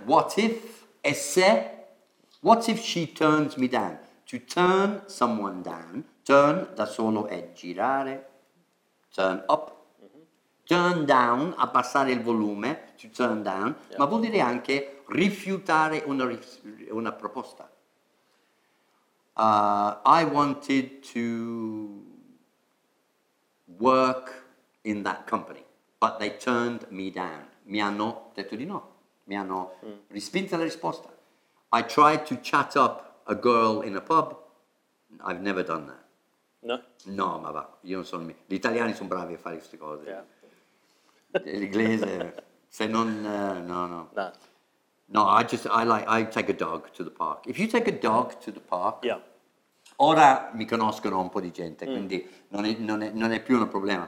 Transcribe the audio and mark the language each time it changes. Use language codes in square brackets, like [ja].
[en] What if, [it] e se, [en] what if she turns me down? To turn someone down, [it] turn da solo è girare, turn up. Turn down, abbassare il volume, to turn down, ma vuol dire anche rifiutare una proposta. [en] I wanted to work in that company, but they turned me down. [it] Mi hanno detto di no, mi hanno respinto la risposta. [en] I tried to chat up a girl in a pub. I've never done No. that. [it] No, ma va, io non sono. Gli italiani sono bravi a fare queste cose. [en] Yeah. [it] L'inglese, se non, no, no. [en] No. No, I take a dog to the park. If you take a dog to the park, Yeah. [it] ora mi conoscono un po' di gente, quindi non è più un problema.